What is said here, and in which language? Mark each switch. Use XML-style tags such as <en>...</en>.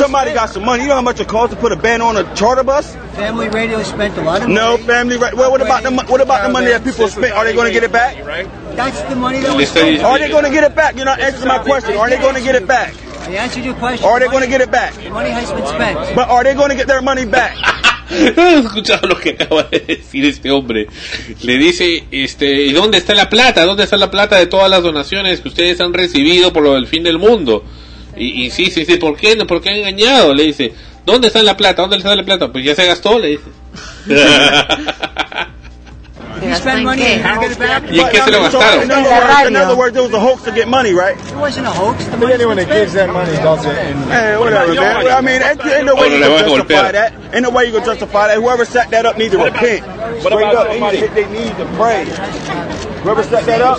<en>Somebody got some money. You know how much it costs to put a band on a charter bus? Family Radio spent a lot of money. No, Family Radio. Well, what about the money that people spent? Are they gonna get it back? That's the money that was spent. Are they gonna get it back? You're not answering my question. Are they gonna get it back? I answered your question. Are they gonna get it back? The money has been spent. But are they gonna get their money back?</en> <es>Escuchado lo que acaba de decir este hombre. Le dice, ¿y dónde está la plata? ¿Dónde está la plata de todas las donaciones que ustedes han recibido por lo del fin del mundo? Y insiste, dice, ¿por qué? ¿Por qué han engañado? Le dice, ¿dónde está la plata? ¿Dónde está la plata? Pues ya se gastó, le dice.</es> <en>He spent money and didn't get it back.</en> <es>¿Y en qué se lo gastaron?</es> <en>In other words, there was a hoax to get money, right? It wasn't a hoax. The money anyone that gives that money does it. Hey, whatever, man. Well, I mean, ain't no way you can justify that. Ain't no way you can justify that. Whoever set that up needs to repent. Straight up, they need to pray. Whoever set that up,</en>